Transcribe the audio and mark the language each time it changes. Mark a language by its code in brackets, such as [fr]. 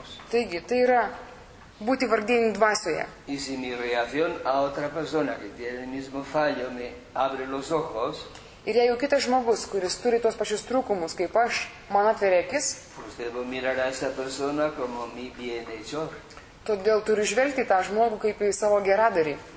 [lt] Taigi, tai yra būti vargdienį dvasioje. [es] Y si mi reacción a otra persona que tiene el mismo fallo me abre los ojos. [lt] Ir jei jau kitas žmogus, kuris turi tuos pačius trūkumus, kaip aš, man atveria akis, todėl turi žvelgti tą žmogų kaip į savo geradarį.